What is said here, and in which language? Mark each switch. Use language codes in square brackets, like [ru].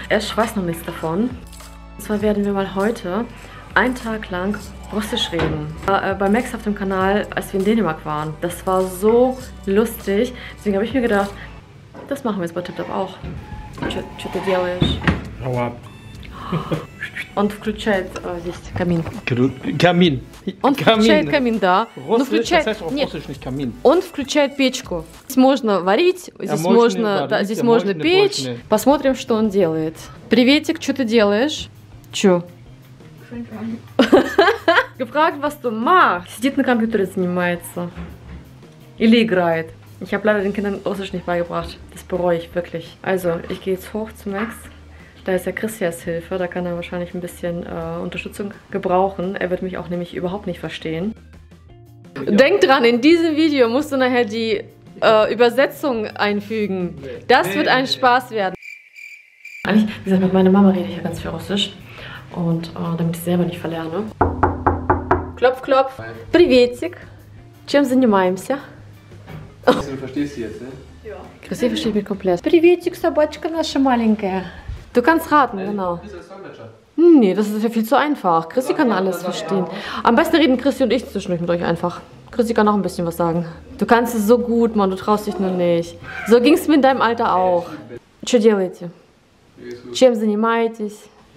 [de] Ich weiß noch nichts davon. Und zwar werden wir mal heute einen Tag lang Russisch reden. Bei Max auf dem Kanal, als wir in Dänemark waren. Das war so lustig. Deswegen habe ich mir gedacht, das machen wir jetzt bei TapTap auch. [ru] Что ты делаешь? [de] Hau ab. [ru] Он включает здесь камин. Камин. Он включает камин, да. Но включает, нет, он включает печку. Здесь можно варить, здесь можно, да, здесь можно печь. Посмотрим, что он делает. Приветик, что ты делаешь? Чё? [de] Gefragt, was du machst. [ru] Сидит на компьютере, занимается. Или играет. [de] Ich habe leider den Kindern Russisch nicht beigebracht. Das bereue ich wirklich. Also, ich gehe jetzt hoch zu Max. Da ist ja Christias Hilfe, da kann er wahrscheinlich ein bisschen Unterstützung gebrauchen. Er wird mich auch nämlich überhaupt nicht verstehen. Denk dran, in diesem Video musst du nachher die Übersetzung einfügen. Das wird ein Spaß werden. Eigentlich, wie gesagt, mit meiner Mama rede ich ja ganz viel Russisch. Und damit ich selber nicht verlerne. Klopf, klopf. [ru] Privetik. Чем занимаемся? Ты [de] verstehst sie jetzt, ne? Ja. Christi versteht mich komplett. [ru] Privetik, собачка наша маленькая. [de] Du kannst raten, genau. Nee, das ist ja viel zu einfach. Christi kann alles verstehen. Am besten reden Christi und ich zwischendurch mit euch einfach. Christi kann auch ein bisschen was sagen. Du kannst es so gut, Mann, du traust dich nur nicht. So ging es mir in deinem Alter auch. [ru] Что делаете? Чем занимаетесь?